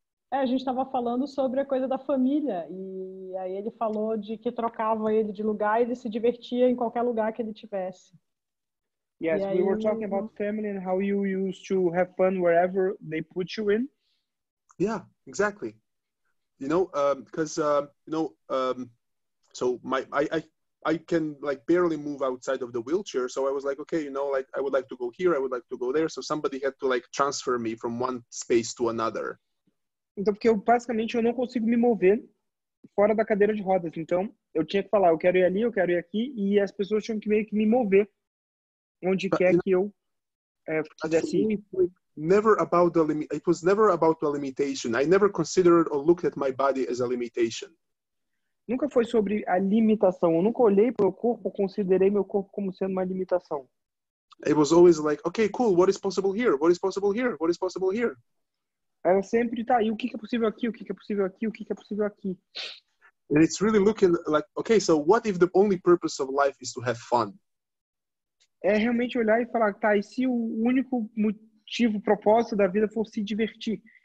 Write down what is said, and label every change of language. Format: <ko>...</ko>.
<pt>É, a gente estava falando sobre a coisa da família. E aí ele falou de que trocava ele de lugar e ele se divertia em qualquer lugar que ele tivesse.</pt> <en>Yes, e we were talking about family and how you used to have fun wherever they put you in. Yeah, exactly. You know, because, you know... So I can like barely move outside of the wheelchair. So I was like, okay, you know, like I would like to go here, I would like to go there. So somebody had to like transfer me from one space to another.</en> <pt>Então porque eu basicamente eu não consigo me mover fora da cadeira de rodas. Então eu tinha que falar, eu quero ir ali, eu quero ir aqui, e as pessoas tinham que meio que me mover onde quer que eu. fazer assim.</pt> <en>Never about the limit. It was never about the limitation. I never considered or looked at my body as a limitation.</en> <pt>Nunca foi sobre a limitação. Eu nunca olhei para o corpo, considerei meu corpo como sendo uma limitação.</pt> <en>It was always like, okay, cool. What is possible here? What is possible here? What is possible here?</en> <pt>Era sempre tá. E o que é possível aqui? O que é possível aqui? O que é possível aqui?</pt> <en>And it's really looking like, okay, so what if the only purpose of life is to have fun?</en> <pt>É realmente olhar e falar, tá, e se o único motivo, propósito da vida for se divertir?</pt>